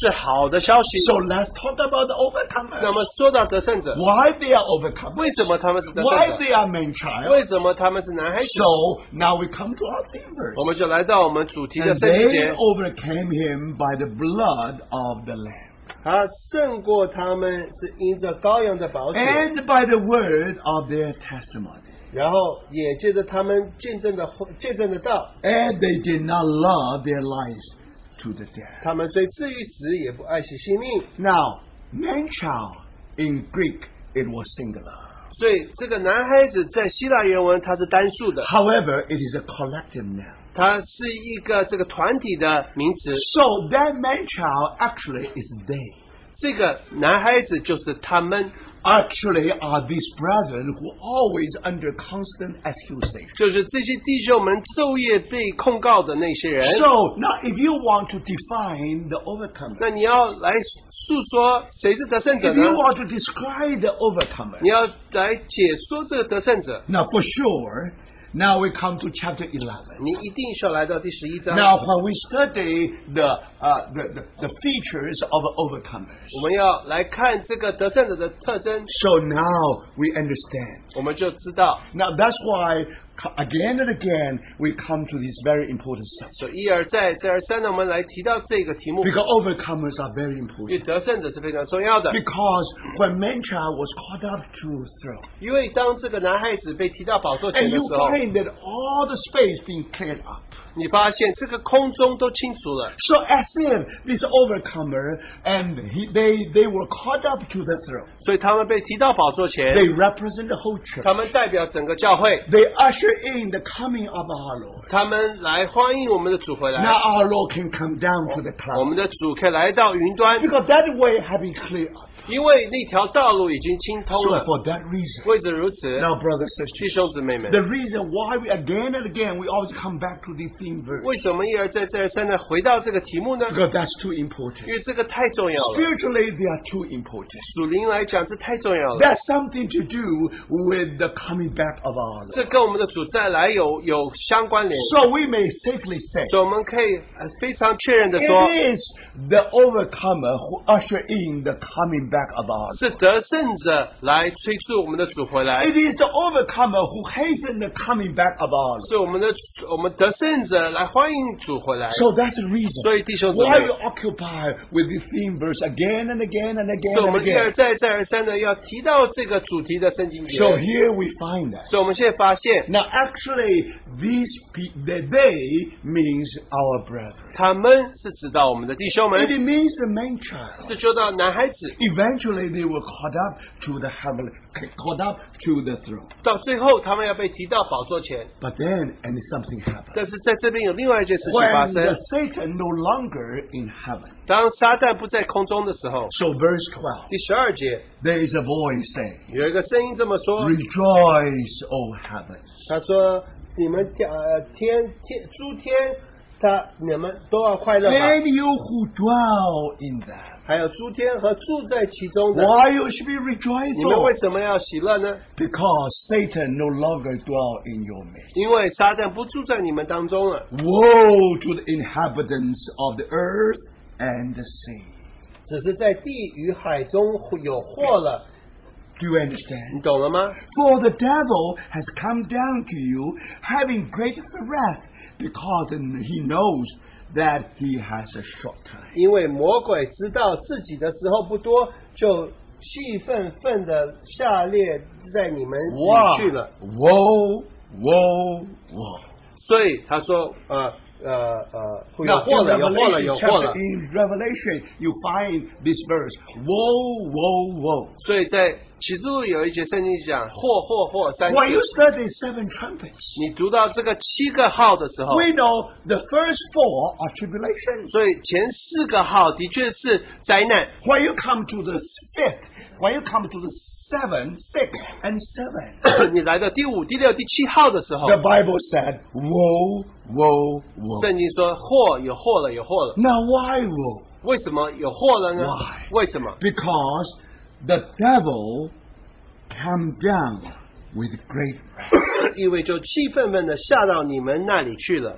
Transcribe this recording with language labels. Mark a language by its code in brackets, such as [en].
[zh] 是好的消息. [en] So let's talk about the overcomers. [zh] 那么说到得胜者, [en] why they are overcomers? [zh] 为什么他们是得胜者? [en] Why they are man child? [zh] 为什么他们是男孩子? [en] So now we come to our theme verse. And they overcame him by the blood of the Lamb. [zh] 他胜过他们是因着羔羊的宝血, [en] and by the word of their testimony. [zh] 然后也借着他们见证的道, [en] and they did not love their lives to the death. [zh] 他们对至于死也不爱惜性命. [en] Now, man-child in Greek, it was singular. [zh] 所以这个男孩子在希腊原文他是单数的. [en] However, it is a collective noun. [zh] 它是一个这个团体的名词. [en] So that man child actually is they. [zh] 这个男孩子就是他们. [en] Actually are these brethren who always under constant accusation. [zh] 就是这些弟兄们昼夜被控告的那些人. [en] So now if you want to define the overcomer, [zh] 那你要来诉说谁是得胜者呢? [en] If you want to describe the overcomer, [zh] 你要来解说这个得胜者. [en] Now for sure, now we come to chapter 11. [zh] 你一定是要来到第十一章. [en] Now when we study the features of overcomers, [zh] 我们要来看这个得胜者的特征. [en] So now we understand. [zh] 我们就知道. [en] Now that's why again and again we come to this very important subject. [zh] 所以一而再再而三的我们来提到这个题目. [en] Because overcomers are very important. [zh] 因为得胜者是非常重要的. [en] Because when man-child was called up to throne, [zh] 因为当这个男孩子被提到宝座前的时候, [en] and you find that all the space being cleared up, [zh] 你发现这个空中都清除了. [en] So as if this overcomer and they were caught up to the throne. [zh] 所以他们被提到宝座前. [en] They represent the whole church. [zh] 他们代表整个教会. [en] They usher in the coming of our Lord. [zh] 他们来欢迎我们的主回来. [en] Now our Lord can come down to the cloud. [zh] 我们的主可以来到云端. [en] Because that way have been cleared up. [zh] 因为那条道路已经清通了. [en] So for that reason, [zh] 为着如此, [en] now brothers and sisters, [zh] 弟兄姊妹们, [en] the reason why we again and again we always come back to the theme verse, [zh] 为什么一而再再而三地回到这个题目呢? [en] Because that's too important. [zh] 因为这个太重要了. [en] Spiritually they are too important. [zh] 属灵来讲, [en] that's something to do with the coming back of our Lord. [zh] 这跟我们的主再来有相关联. [en] So we may safely say, [zh] 所以我们可以非常确认地说, [en] it is the overcomer who usher in the coming back of our Lord. [zh] 是得胜者来追逐我们的主回来。 [en] It is the overcomer who hastens the coming back of our Lord. [zh] 是我们得胜者来欢迎主回来。 [en] So that's the reason. [zh] 所以弟兄姊妹, [en] why are you occupied with the theme verse again and again and again and again? [zh] 所以我们现在再而三的, [en] so here we find that. [zh] 所以我们现在发现, [en] now actually, these people, they means our brethren. [zh] 他们是指到我们的弟兄们, [en] it means the main child. [zh] 是说到男孩子, [en] eventually they were caught up to the heaven, caught up to the throne. [zh] 到最后, 他们要被提到宝座前, [en] but then and something happened. [zh] 但是在这边有另外一件事情发生, [en] when the Satan no longer in heaven. [zh] 当撒旦不在空中的时候, [en] so verse 12, [zh] 第十二节, [en] there is a voice saying, [zh] 有一个声音这么说, [en] rejoice, O heavens. [zh] 他说, 你们天诸天, 他你们都要快乐吧? [en] And you who dwell in them, [zh] 还有诸天和住在其中的, [en] why you should be rejoiced? [zh] 你们为什么要喜乐呢? [en] Because Satan no longer dwell in your midst. [zh] 因为撒旦不住在你们当中了。 [en] Woe to the inhabitants of the earth and the sea. [zh] 只是在地与海中有祸了。 [en] Do you understand? [zh] 你懂了吗? [en] For the devil has come down to you having great wrath because he knows that he has a short time. [zh] 因为魔鬼知道自己的时候不多, 就气愤愤地下列在你们去了。 [en] Woe, woe, woe. [zh] 所以他说, [en] 那, in Revelation, you find this verse, woe, woe, woe. [zh] 所以在启示录有一节圣经讲, 祸, 祸, 祸, 三节, [en] when you study seven trumpets, [zh] 你读到这个七个号的时候, [en] we know the first four are tribulation. [zh] 所以前四个号的确是灾难。 [en] When you come to the fifth, when you come to the seven, six and seven, [zh] 你来到第五, 第六, 第七号的时候, [en] the Bible said, woe, woe, woe. [zh] 圣经说, 祸, 有祸了, 有祸了。 [en] Now why woe? [zh] 为什么有祸了呢? [en] Why? [zh] 为什么? [en] Because the devil came down with great wrath. [zh] 因为就气愤愤地下到你们那里去了。